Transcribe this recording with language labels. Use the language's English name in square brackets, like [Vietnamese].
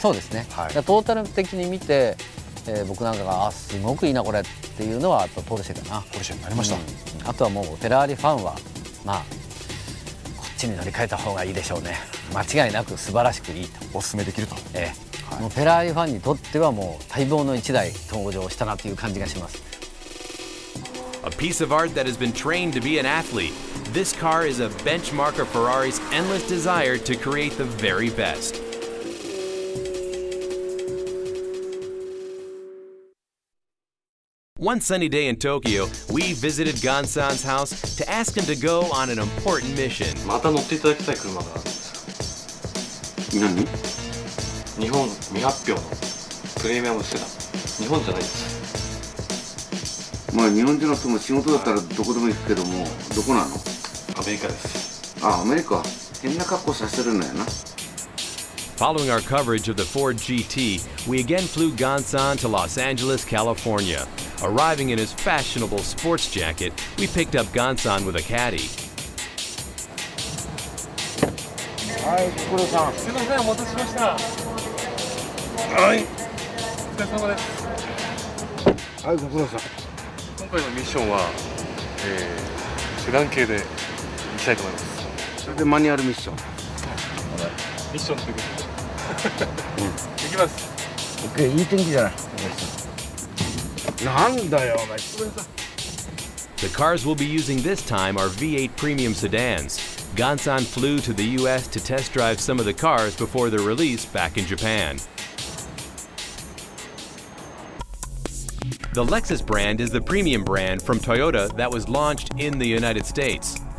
[Japanese] そうですね、はい、トータル的に見て、僕なんかがあすごくいいなこれっていうのはやっぱポルシェかな。ポルシェになりました、うん、あとはもうフェラーリファンはまあこっちに乗り換えた方がいいでしょうね。間違いなく素晴らしくいいと、おすすめできると、はい、もうフェラーリファンにとってはもう待望の1台登場したなという感じがします。 [English] A piece of art that has been trained to be an athlete. This car is a benchmark of Ferrari's endless desire to create the very best. One sunny day in Tokyo, we visited Gansan's house to ask him to go on an important mission. [Japanese] また乗っていただきたい車があるんです。何？日本未発表のプレミアムセダン。日本じゃないです。まあ日本人の人も仕事だったらどこでも行くけども、どこなの？アメリカです。あ、アメリカ。変な格好させるのやな。 [English] Following our coverage of the Ford GT, we again flew Gansan to Los Angeles, California. Arriving in his fashionable sports jacket, we picked up Gansan with a caddy. [Japanese] はい、ご苦労さん。すいません、お待たせしました。はい、お疲れ様です。はい、ご苦労さん。今回のミッションは、セダン系で行きたいと思います。それでマニュアルミッション、はい、ミッションすること。行きます。 OK、 いい天気じゃない。なんだよ、お前。 [English] The cars we'll be using this time are V8 premium sedans. Gansan flew to the U.S. to test drive some of the cars before their release back in Japan. The Lexus brand is the premium brand from Toyota that was launched in the United States.